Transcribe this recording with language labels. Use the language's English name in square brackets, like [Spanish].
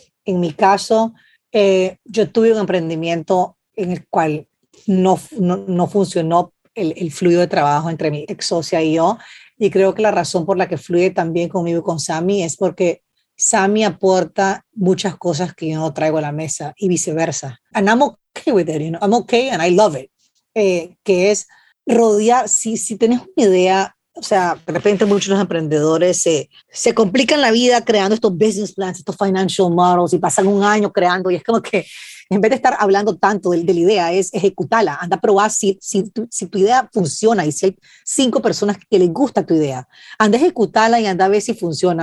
[Spanish] En mi caso, yo tuve un emprendimiento en el cual no funcionó el flujo de trabajo entre mi ex socia y yo, y creo que la razón por la que fluye también conmigo y con Sammy es porque Sammy aporta muchas cosas que yo no traigo a la mesa y viceversa. [English] And I'm okay with it, you know? I'm okay and I love it. [Spanish] Que es rodear, si tienes una idea, o sea, de repente muchos de los emprendedores se complican la vida creando estos business plans, estos financial models y pasan un año creando y es como que en vez de estar hablando tanto de la idea, es ejecutarla, anda a probar si tu idea funciona y si hay 5 personas que les gusta tu idea, anda a ejecutarla y anda a ver si funciona.